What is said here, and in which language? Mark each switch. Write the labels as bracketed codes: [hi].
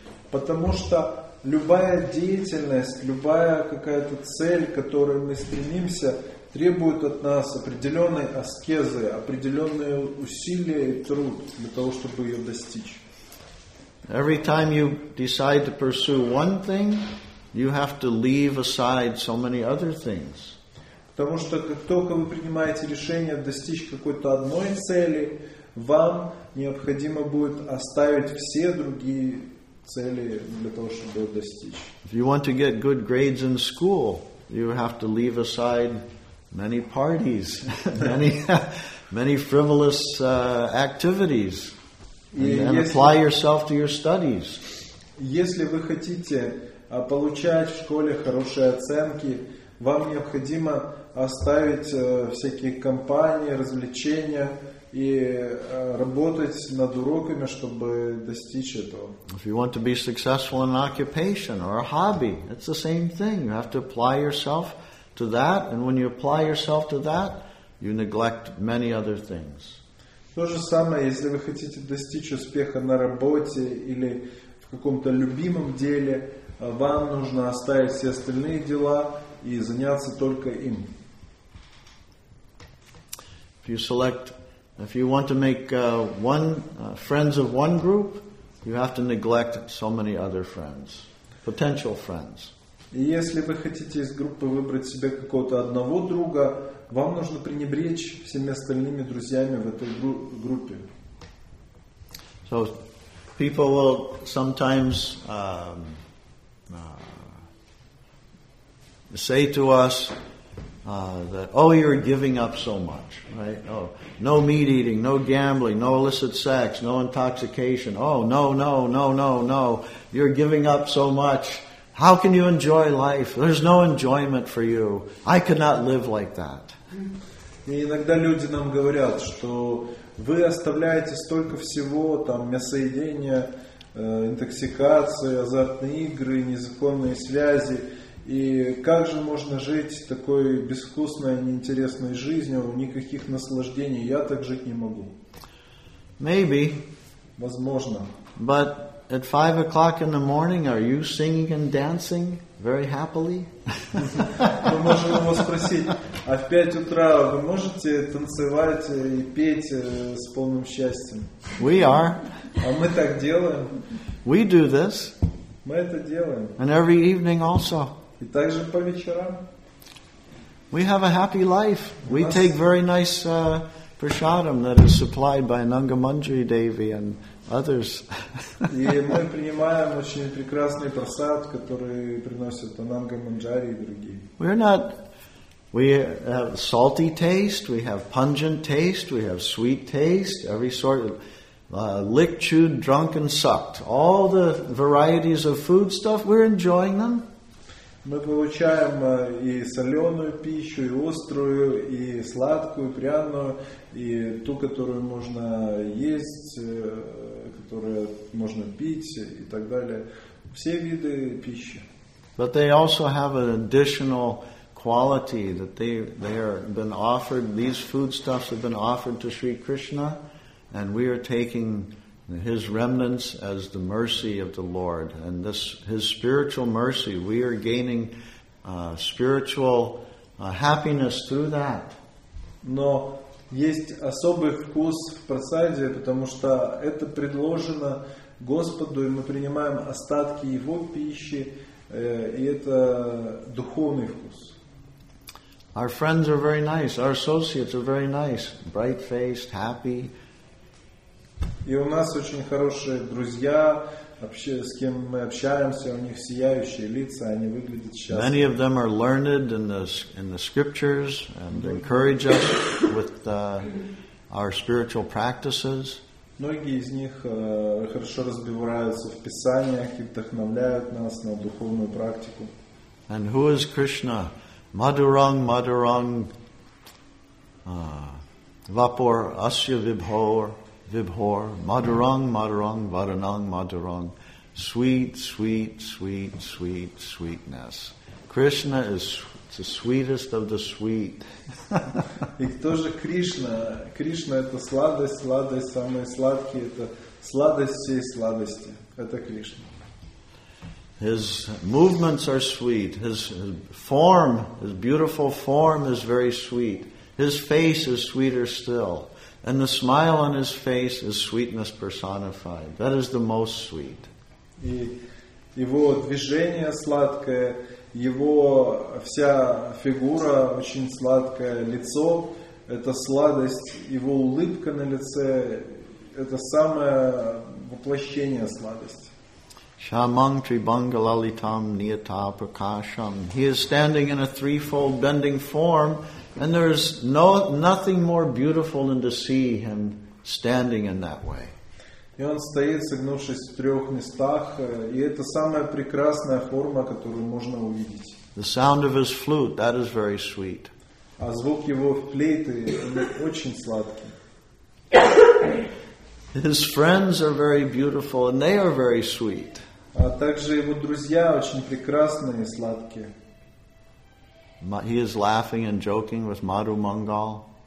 [ru] Потому что любая деятельность, любая какая-то цель, к которой мы стремимся, требует от нас определенной аскезы, определенные усилия и труд для того, чтобы ее достичь. [en] Every time you decide to pursue one thing, you have to leave aside so many other things. [ru] Потому что как только вы принимаете решение достичь какой-то одной цели, вам необходимо будет оставить все другие цели для того, чтобы достичь. [en] If you want to get good grades in school, you have to leave aside many parties, many frivolous activities, and apply yourself to your studies. [ru] Если вы хотите получать в школе хорошие оценки, Вам необходимо оставить всякие компании, развлечения и работать над уроками, чтобы достичь этого. [en] If you want to be successful in an occupation or a hobby, it's the same thing. You have to apply yourself to that, and when you apply yourself to that, you neglect many other things. [ru] То же самое, если вы хотите достичь успеха на работе или в каком-то любимом деле, вам нужно оставить все остальные дела и заняться только им. [en] If you want to make friends of one group, you have to neglect so many other friends, potential friends. [ru] И если вы хотите из группы выбрать себе какого-то одного друга, вам нужно пренебречь всеми остальными друзьями в этой группе. [en] So people will sometimes say to us that, oh, you're giving up so much, right? Oh, no meat eating, no gambling, no illicit sex, no intoxication. Oh, no, no, no, no, no. You're giving up so much. How can you enjoy life? There's no enjoyment for you. I could not live like that. [ru] И иногда люди нам говорят, что вы оставляете столько всего, там, мясоедение, интоксикация, азартные игры, незаконные связи. И как же можно жить такой безвкусной, неинтересной жизнью, никаких наслаждений? Я так жить не могу. [en] Maybe. [ru] Возможно. [en] But at 5 o'clock in the morning, are you singing and dancing very happily? [ru] Мы можем его спросить, а в 5 утра вы можете танцевать и петь с полным счастьем? [en] We are. [ru] А мы так делаем. [en] We do this. [ru] Мы это делаем. [en] And every evening also. [ru] И также по вечерам. [en] We have a happy life. We take very nice prasadam that is supplied by Nangamanjari Devi and others. [ru] И мы принимаем очень прекрасный прасад, который приносят Анангамунджари и другие. [en] We have salty taste, we have pungent taste, we have sweet taste, every sort of licked, chewed, drunk and sucked. All the varieties of food stuff, we're enjoying them. [ru] Мы получаем и соленую пищу, и острую, и сладкую, и пряную, и ту, которую можно есть, которую можно пить и так далее. Все виды пищи. [en] But they also have an additional quality that they are been offered. These foodstuffs have been offered to Sri Krishna, and we are taking His remnants as the mercy of the Lord. And this His spiritual mercy, we are gaining spiritual happiness through that. [ru] Но есть особый вкус в прасаде, потому что это предложено Господу, и мы принимаем остатки Его пищи, и это духовный вкус. [en] Our friends are very nice, our associates are very nice, bright-faced, happy. [ru] И у нас очень хорошие друзья, вообще, с кем мы общаемся, у них сияющие лица, они выглядят счастливыми. [en] Many of them are learned in the scriptures and encourage us with our spiritual practices. [ru] Многие из них хорошо разбираются в писаниях и вдохновляют нас на духовную практику. [en] And who is Krishna? [sa] Madurang, Madurang, Vapor, Asya Vibhor. Vibhor, Madurang, Madurang, Varanang, Madurang, [en] sweet, sweet, sweet, sweet, sweetness. Krishna is the sweetest of the sweet. [ru] И кто же Кришна? Кришна – это сладость, сладость, самые сладкие, это сладость всей сладости. Это Кришна. [en] His movements are sweet. His form, His beautiful form is very sweet. His face is sweeter still. And the smile on his face is sweetness personified. That is the most sweet. [ru] И его движение сладкое, его вся фигура очень сладкое, лицо это сладость, его улыбка на лице это самое воплощение сладости. [sa] Shamang tribangalalitam niyata prakasham. [en] He is standing in a threefold bending form. And there is nothing more beautiful than to see him standing in that way. [ru] И он стоит, согнувшись в трех местах, и это самая прекрасная форма, которую можно увидеть. [en] The sound of his flute, that is very sweet. [uk] А звук його флейти дуже сладкий. [en] His friends are very beautiful and they are very sweet. [uk] А також його друзі дуже прекрасні і сладкі. [en] He is laughing and joking with Madhu Mangal.